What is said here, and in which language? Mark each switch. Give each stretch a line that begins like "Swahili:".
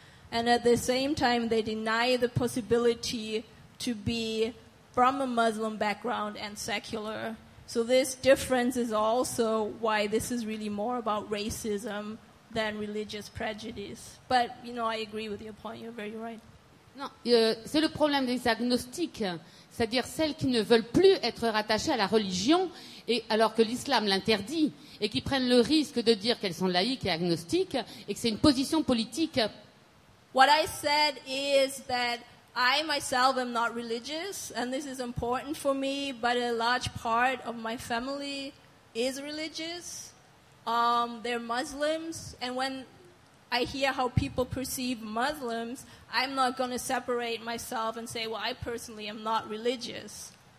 English: And at the same time, they deny the possibility to be from a Muslim background and secular. So this difference is also why this is really more about racism than religious prejudice. But, you know, I agree with your point, you're very right.
French: Non, c'est le problème des agnostiques, c'est-à-dire celles qui ne veulent plus être rattachées à la religion, et, alors que l'islam l'interdit, et qui prennent le risque de dire qu'elles sont laïques et agnostiques, et que c'est une position politique.
English: What I said is that I myself am not religious, and this is important for me, but a large part of my family is religious. They're Muslims, and when I hear how people perceive Muslims, I'm not going to separate myself and say, well, I personally am not religious.